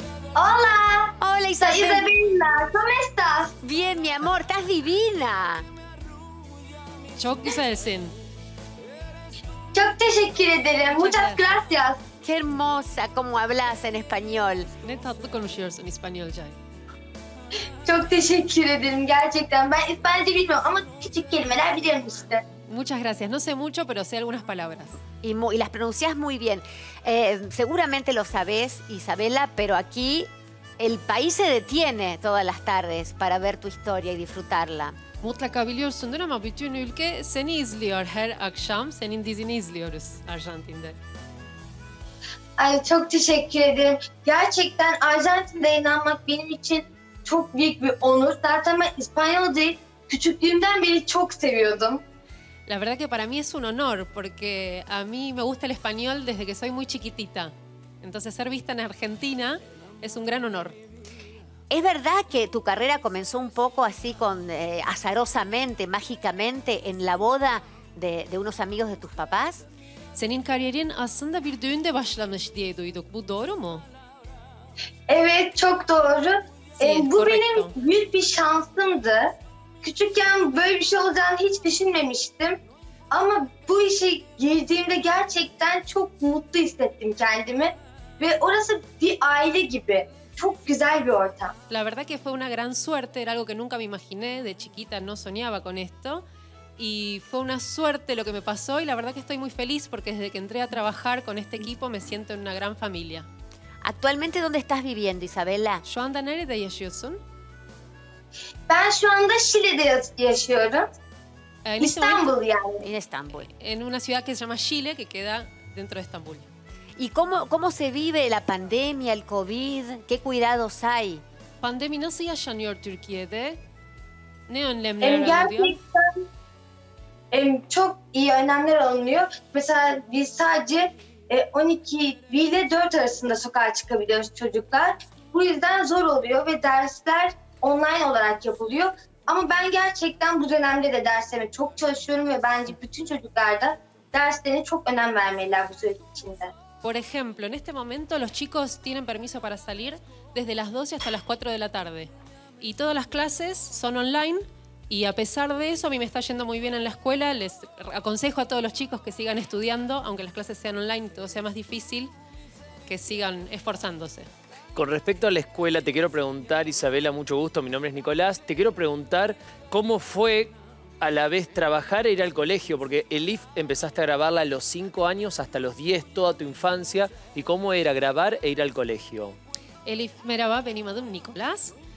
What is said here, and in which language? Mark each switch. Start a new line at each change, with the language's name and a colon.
Spanish: Hola. Hola Isabela. Soy Isabela, ¿cómo estás? Bien, mi amor, estás divina.
Turkish: Çok güzelsin. Çok teşekkür ederim.
Spanish: Muchas gracias. Qué hermosa cómo hablas en español.
Turkish: Ne tatlı konuşuyorsun İspanyolca. Çok teşekkür ederim gerçekten. Ben İspanyolca bilmiyorum ama küçük kelimeler biliyorum işte.
Spanish: Muchas gracias. No sé mucho, pero sé algunas palabras. Y las pronuncias muy bien. Seguramente lo sabes, Isabela, pero aquí el país se detiene todas las tardes para ver tu historia y disfrutarla.
Turkish: Mutlaka biliyorsundur ama bütün ülke seni izliyor her akşam. Senin dizini izliyoruz Arjantin'de. Ay, çok teşekkür ederim. Gerçekten Arjantin'de inanmak benim için çok büyük bir onur. Zaten ben İspanyolcayı küçüklüğümden beri çok seviyordum.
Spanish: La verdad que para mí es un honor porque a mí me gusta el español desde que soy muy chiquitita. Entonces ser vista en Argentina es un gran honor. ¿Es verdad que tu carrera comenzó un poco así con azarosamente, mágicamente en la boda de unos amigos de tus papás?
Turkish: Senin kariyerin aslında bir düğünde başlamış diye duyduk. Bu doğru mu? Evet, çok doğru. Bu benim büyük bir şansımdı. Küçükken böyle bir şey olacağını hiç düşünmemiştim. Ama bu işe girdiğimde gerçekten çok mutlu hissettim kendimi. Ve orası bir aile gibi. Çok güzel bir ortam.
Spanish: La verdad que fue una gran suerte. Era algo que nunca me imaginé. De chiquita no soñaba con esto. Y fue una suerte lo que me pasó. Y la verdad que estoy muy feliz porque desde que entré a trabajar con este equipo me siento en una gran familia. Actualmente, ¿dónde estás viviendo, Isabela?
Turkish: Şu anda nerede yaşıyorsun? Ben şu anda Şili'de yaşıyorum. İstanbul yani.
Spanish: En Estambul. En una ciudad que se llama Şile, que queda dentro de Estambul. ¿Y cómo se vive la pandemia, el COVID? ¿Qué cuidados hay?
Turkish: Pandemi nasıl yaşanıyor Türkiye'de? Ne önlemler alınıyor? Gerçekten çok iyi önlemler alınıyor. Mesela biz sadece 12 ile 4 arasında sokağa çıkabiliyoruz çocuklar. Bu yüzden zor oluyor ve dersler online olarak yapılıyor. Ama ben gerçekten bu dönemde de derslerime çok çalışıyorum ve bence bütün çocuklar da derslerine çok önem vermeliler bu süreç içinde.
Spanish: Por ejemplo, en este momento los chicos tienen permiso para salir desde las 12 hasta las 4 de la tarde. Y todas las clases son online y a pesar de eso a mí me está yendo muy bien en la escuela. Les aconsejo a todos los chicos que sigan estudiando, aunque las clases sean online y todo sea más difícil, que sigan esforzándose. Con respecto a la escuela, te quiero preguntar, Isabela, mucho gusto, mi nombre es Nicolás, te quiero preguntar cómo fue a la vez trabajar e ir al colegio, porque Elif empezaste a grabarla a los 5 años hasta los 10, toda tu infancia, y cómo era grabar e ir al colegio.
Turkish: Elif merhaba, benim adım Nicolás.